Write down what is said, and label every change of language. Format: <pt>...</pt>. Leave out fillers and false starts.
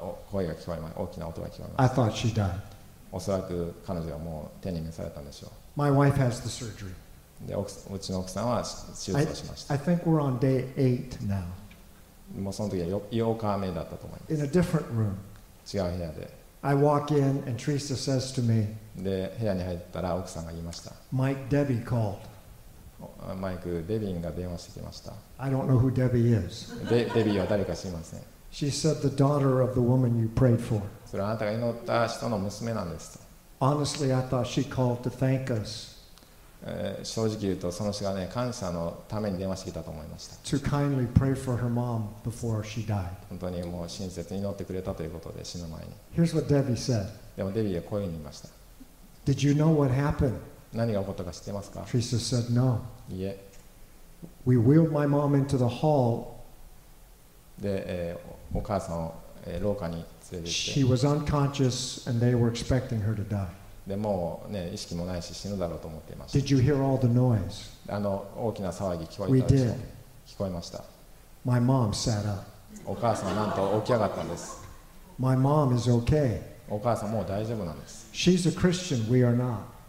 <ja>声が聞こえます。大きな音が聞こえます。</ja> <en>I thought she died.</en> <ja>おそらく彼女はもう天に召されたんでしょう。</ja> <en>My wife has the surgery.</en> <ja>でうちの奥さんは手術をしました。</ja> <en>I think we're on day 8 now.</en> <ja>もうその時は8日目だったと思います。</ja> <en>In a different room.</en> <ja>違う部屋で。</ja> <en>I walk in and Teresa says to me.</en> <ja>で部屋に入ったら奥さんが言いました。</ja> <en>Mike Debbie called.</en> <ja>マイク、デビンが電話してきました。</ja> <en>I don't know who Debbie is.</en> <ja>デビーは誰か知りません。</ja> <en>She said the daughter of the woman you prayed for.</en> <ja>それはあなたが祈った人の娘なんですと。</ja> <en>Honestly, I thought she called to thank us.</en> <ja>正直言うとその人がね感謝のために電話してきたと思いました。</ja> <en>To kindly pray for her mom before she died.</en> <ja>本当にもう親切に祈ってくれたということで死ぬ前に。</ja> <en>Here's what Debbie said.</en> <ja>でもデビーはこういうふうに言いました。</ja> <en>Did you know what happened?</en> <ja>何が起こったか知ってますか</ja> <en>？Teresa said no.</en> <ja>いえ。</ja> <en>We wheeled my mom into the hall.</en> <ja>で、お母さんを廊下に連れて行って。</ja> <en>She was unconscious and they were expecting her to die.</en> <ja>でもう、ね、意識もないし死ぬだろうと思っていました。</ja> <en>Did you hear all the noise?</en> <ja>大きな騒ぎ聞こえたでしょ。</ja> <en>We did.</en> <ja>聞こえました。</ja> <en>My mom sat up.</en> <ja>お母さんはなんと起き上がったんです。</ja> <en>My mom is okay.</en> <ja>お母さんもう大丈夫なんです。</ja> <en>She's a Christian. We are not.</en>